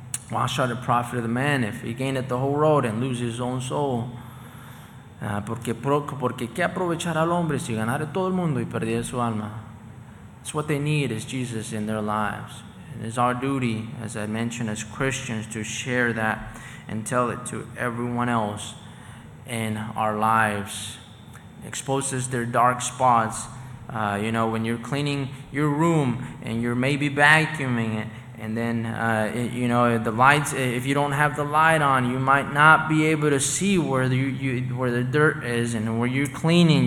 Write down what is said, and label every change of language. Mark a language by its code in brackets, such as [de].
[en] Why shall it profit the man if he gained the whole world and lose his own soul? [es] Porque qué aprovechará el hombre si ganara todo el mundo y perdiera su alma? [en] It's what they need is Jesus in their lives. And it's our duty, as I mentioned, as Christians, to share that and tell it to everyone else in our lives. It exposes their dark spots. You know, when you're cleaning your room and you're maybe vacuuming it, and then, you know, the lights, if you don't have the light on, you might not be able to see where the dirt is and where you're cleaning.